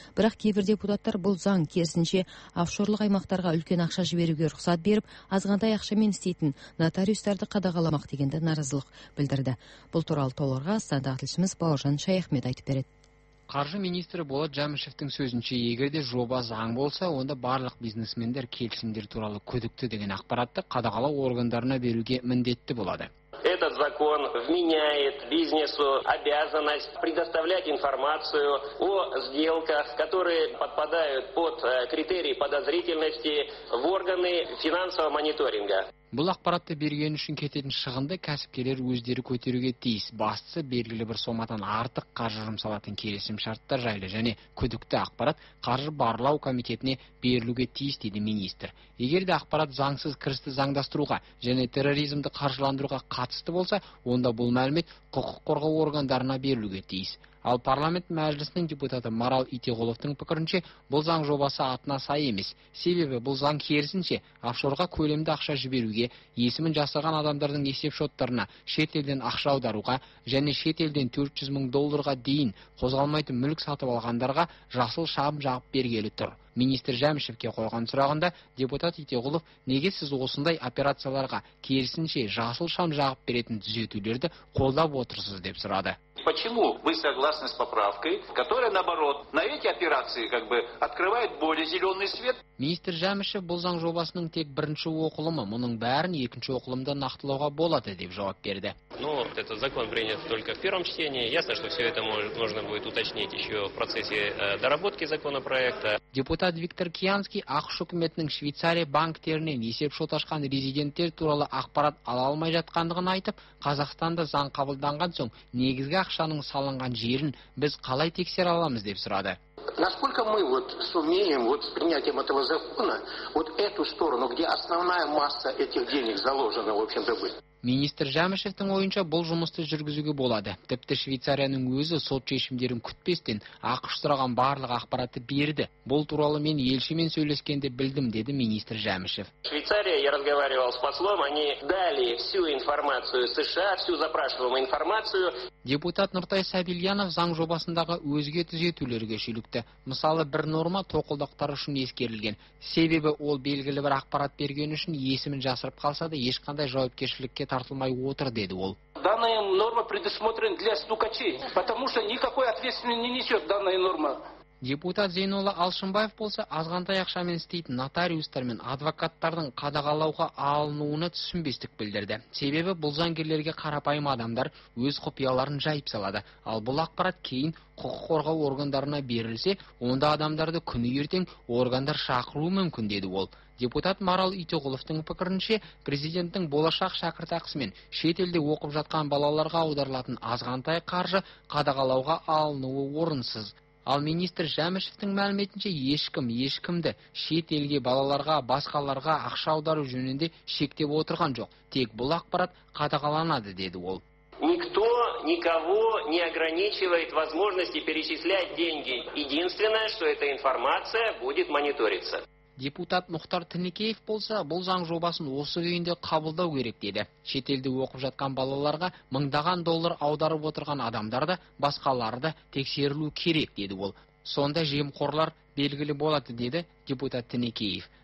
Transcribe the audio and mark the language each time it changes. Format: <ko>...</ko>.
<kk>Бірақ кейбір депутаттар бұл заң керісінше офшорлық аймақтарға үлкен ақша жіберуге рұқсат беріп, азғантай ақшамен істейтін нотариустарды қадағаламақ дегенді наразылық білдірді. Бұл туралы толығырақ астанадағы тілшіміз Бауыржан Шаяхмет айтып береді. Қаржы министрі Болат Жәмішевтің сөзінше, егер де жоба заң болса, онда барлық бизнесмендер келісімдер туралы күдікті деген ақпаратты қадағалау органдарына беруге міндетті болады.</kk> <ru>Этот закон вменяет бизнесу обязанность предоставлять информацию о сделках, которые подпадают под критерии подозрительности в органы финансового мониторинга.</ru> <kk>Бұл ақпаратты берген үшін кететін шығынды кәсіпкерлер өздері көтеруге тиіс. Бастысы, белгілі бір сомадан артық қаржы жұмсалатын келісім шарттар жайлы және күдікті ақпарат қаржы барлау комитетіне берілуге тиіс, деді министр. Егер де ақпарат заңсыз кірісті заңдастыруға және терроризмді қаржыландыруға қатысты болса, онда бұл мәлімет құқық қорғау органдарына берілуге тиіс. Ал парламент мәжілісінің депутаты Марал Итеғоловтың пікірінше, бұл заң жобасы атына сай емес. Себебі бұл заң керісінше офшорға көлемді ақша жіберуге, есімін жасырған адамдардың есеп шоттарына шетелден ақша аударуға және шетелден 400 мың долларға дейін қозғалмайтын мүлік сатып алғандарға жасыл шам жағып бергелі тұр. Министр Жәмішевке қойған сұрағында депутат Итеғұлов, неге сіз осындай операцияларға керісінше жасыл шам жағып беретін түзетулерді қолдап отырсыз, деп сұрады.</kk> <ru>Почему вы согласны с поправкой, которая наоборот на эти операции как бы открывает более зеленый свет?</ru> <kk>Министр Жәмішев бұл заң жобасының тек бірінші оқылымы, мұның бәрін екінші оқылымда нақтылауға болады, деп жауап берді.</kk> <ru>Но этот закон принят только в первом чтении. Ясно, что все это нужно будет уточнить еще в процессе доработки законопроекта.</ru> <kk>Депутат Виктор Киянский ақш үкіметінің Швейцария банктерінен есеп шот ашқан резиденттер туралы ақпарат ала алмай жатқандығын айтып, Қазақстанда заң қабылданған соң негізгі ақшаның салынған жерін біз қалай тексере аламыз, деп сұрады.</kk> <ru>Насколько мы вот сумеем вот с принятием этого закона вот эту сторону, где основная масса этих денег заложена, в общем-то, будет?</ru> <kk>Министр Жәмішевтің ойынша бұл жұмысты жүргізуге болады. Тіпті Швейцарияның өзі сот шешімдерін күтпестен ақш сұраған барлық ақпаратты берді. Бұл туралы мен елшімен сөйлескенде білдім, деді министр Жәмішев.</kk> <ru>Швейцария, я разговаривал с послом, они дали всю информацию США, всю запрашиваемую информацию.</ru> <kk>Депутат Нұртай Сабильянов заң жобасындағы өзге түзетулерге шүлікті. Мысалы, бір норма тоқылдықтар үшін ескерілген. Себебі ол белгілі бір ақпарат берген үшін есімін жасырып қалса да ешқандай жауапкершілік тартылмай отыр, деді ол.</kk> <ru>Данная норма предусмотрена для стукачей, потому что никакой ответственности не несет данная норма.</ru> <kk>Депутат Зейнолла Алшынбаев болса, азғантай ақшамен істейтін нотариустар мен адвокаттардың қадағалауға алынуына түсінбестік білдірді. Себебі бұл заңгерлерге қарапайым адамдар өз құпияларын жайып салады. Ал бұл ақпарат кейін құқық қорғау органдарына берілсе, онда адамдарды күні ертең органдар шақыруы мүмкін, деді ол. Депутат Марал Итеғұловтың пікірінше, президенттің болашақ шәкіртақысымен шетелде оқып жатқан балаларға аударылатын азғантай қаржы қадағалауға алынуы орынсыз. Ал министр Жәмішевтің мәліметінше, ешкімді шетелге балаларға, басқаларға ақша аудару жөнінде шектеп отырған жоқ. Тек бұл ақпарат қадағаланады, деді ол.</kk> <ru>Никто никого не ограничивает возможности перечислять деньги. Единственное, что эта информация будет мониториться.</ru> <kk>Депутат Мұхтар Тінікеев болса, бұл заң жобасын осы күйінде қабылдау керек, деді. Шетелде оқып жатқан балаларға мыңдаған доллар аударып отырған адамдарды, басқаларды тексерілу керек, деді ол. Сонда жемқорлар белгілі болады, деді депутат Тінікеев.</kk>